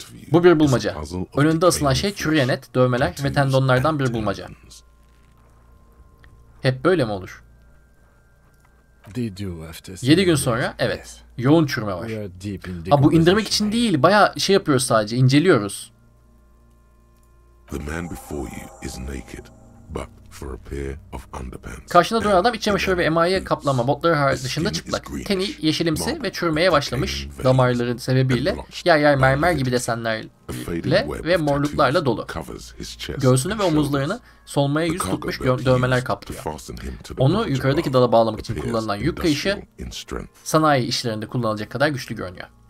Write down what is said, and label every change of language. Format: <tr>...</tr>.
<tr>Bu bir bulmaca. Önünde asılan şey çürüyen et, dövmeler ve tendonlardan bir bulmaca. Hep böyle mi olur? 7 gün sonra, evet. Yoğun çürüme var. Ha, bu indirmek için değil, bayağı şey yapıyoruz sadece, inceliyoruz.</tr> <en>The man before you is naked, but for a pair of underpants.</en> <tr>Karşında duran adam iç çamaşırı ve emaye kaplama botları dışında çıplak. Teni yeşilimsi ve çürümeye başlamış damarları sebebiyle yer yer mermer gibi desenlerle ve morluklarla dolu. Göğsünü ve omuzlarını solmaya yüz tutmuş dövmeler kaplıyor. Onu yukarıdaki dala bağlamak için kullanılan yük kayışı sanayi işlerinde kullanılacak kadar güçlü görünüyor.</tr>